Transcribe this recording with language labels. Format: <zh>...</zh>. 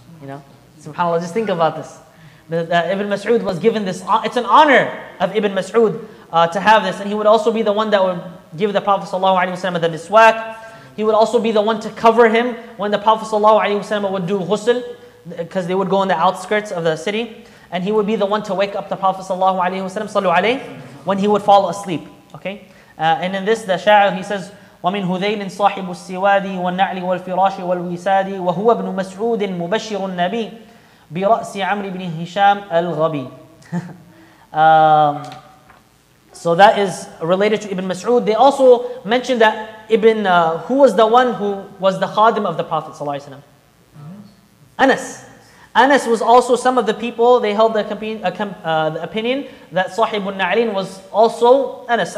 <en>You know, subhanAllah, just think about this. Ibn Mas'ud was given this, it's an honor of Ibn Mas'ud to have this, and he would also be the one that would give the Prophet sallallahu alaihi wasallam the miswak. He would also be the one to cover him when the Prophet sallallahu alaihi wasallam would do ghusl, because they would go on the outskirts of the city, and he would be the one to wake up the Prophet sallallahu alaihi wasallam, sallu alaihi, when he would fall asleep. Okay. And in this, the sha'ir, he says,</en> <ar>وَمِنْ هُذَيْلٍ صَاحِبُ السِّوَادِ وَالنَّعْلِ وَالْفِرَاشِ وَالْوِسَادِ وَهُوَ ابْنُ مَسْعُودٍ مُبَشِّرُ النَّبِيِّ بِرَأْسِ عَمْرِ بْنِ هِشَامِ الْغَبِيِّ.</ar> <en>So that is related to Ibn Mas'ud. They also mentioned that Ibn, who was the one who was the khadim of the Prophet ﷺ? Anas. Anas was also some of the people, they held the opinion that Sahibun Na'alain was also Anas.</en>